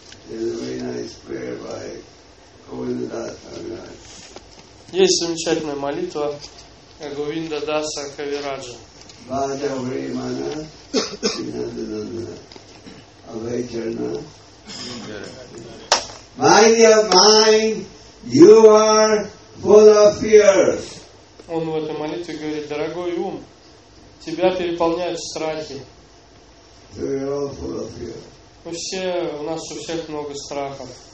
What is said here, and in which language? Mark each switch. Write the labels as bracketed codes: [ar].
[ru] Есть замечательная молитва Говинда Даса Кавираджа. Бхаджа Вримана Синандананда Авайчарна. [en] My dear mind, you are full of fear. [ru] Он в этой молитве говорит, дорогой ум, тебя переполняют страхи. Мы все, у нас у всех много страхов.